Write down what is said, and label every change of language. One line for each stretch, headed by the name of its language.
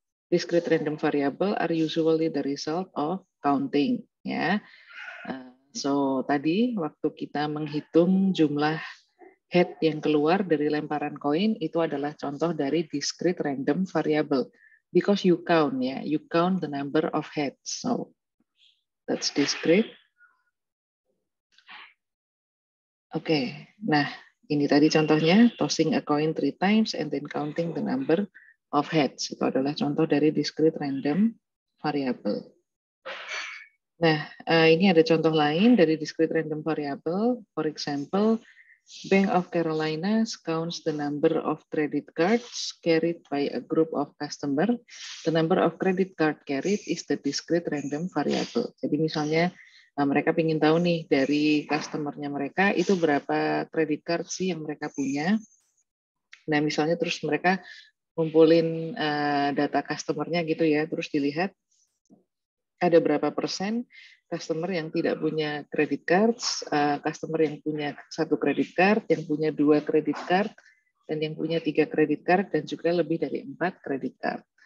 English: Discrete random variable are usually the result of counting.
Indonesian: Ya. So, tadi waktu kita menghitung jumlah head yang keluar dari lemparan koin, itu adalah contoh dari discrete random variable.
English: Because you count, ya, you count the number of heads. So that's discrete. Okay,
Indonesian: nah ini tadi contohnya
English: tossing a coin 3 times and then counting the number of heads.
Indonesian: Itu adalah contoh dari discrete random variable. Nah, ini ada contoh lain dari discrete random variable.
English: For example, Bank of Carolina counts the number of credit cards carried by a group of customer. The number of credit card carried is the discrete random variable.
Indonesian: Jadi misalnya mereka ingin tahu nih dari customernya mereka itu berapa credit card sih yang mereka punya. Nah misalnya terus mereka ngumpulin data customernya gitu ya, terus dilihat ada berapa persen customer yang tidak punya credit cards, customer yang punya satu credit card, yang punya dua credit card, dan yang punya tiga credit card, dan juga lebih dari empat credit card.